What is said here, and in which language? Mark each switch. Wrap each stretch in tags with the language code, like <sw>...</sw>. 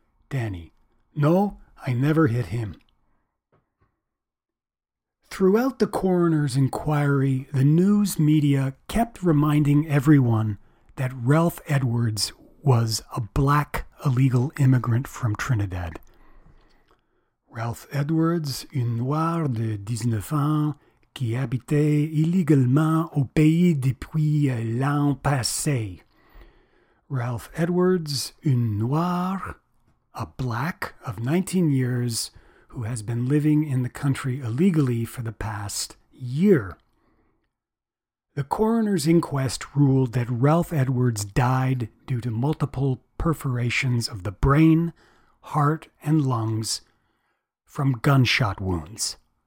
<en>Danny, no, I never hit him. Throughout the coroner's inquiry, the news media kept reminding everyone that Ralph Edwards was a black illegal immigrant from Trinidad.</en> <fr>Ralph Edwards, un noir de 19 ans, qui habitait illégalement au pays depuis l'an passé.</fr> <en>Ralph Edwards,</en> <fr>un noir,</fr> <en>a black of 19 years, who has been living in the country illegally for the past year. The coroner's inquest ruled that Ralph Edwards died due to multiple perforations of the brain, heart, and lungs from gunshot wounds.</en>